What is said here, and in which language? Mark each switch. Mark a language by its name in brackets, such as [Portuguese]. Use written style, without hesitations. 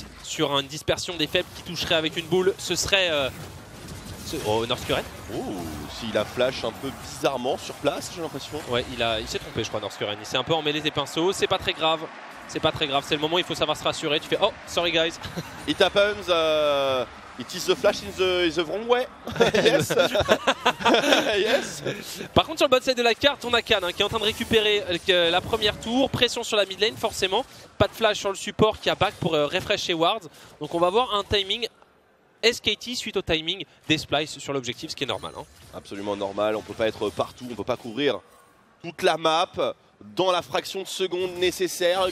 [French] Sur une dispersion des faibles qui toucherait avec une boule, ce serait. Oh, Northcurren. Ouh, il a flash un peu bizarrement sur place, j'ai l'impression. Ouais, il s'est trompé, je crois, Norskuren. Il s'est un peu emmêlé des pinceaux. C'est pas très grave. C'est pas très grave. C'est le moment où il faut savoir se rassurer. Tu fais oh, [English] sorry guys. It happens. It is the flash in the wrong way. Yes. Yes. [French] Par contre, sur le bon side de la carte, on a Khan hein, qui est en train de récupérer la première tour. Pression sur la mid lane, forcément. Pas de flash sur le support qui a back pour refresher Ward. Donc on va voir un timing. SKT suite au timing des splices sur l'objectif, ce qui est normal. Hein. Absolument normal, on peut pas être partout, on peut pas couvrir toute la map dans la fraction de seconde nécessaire.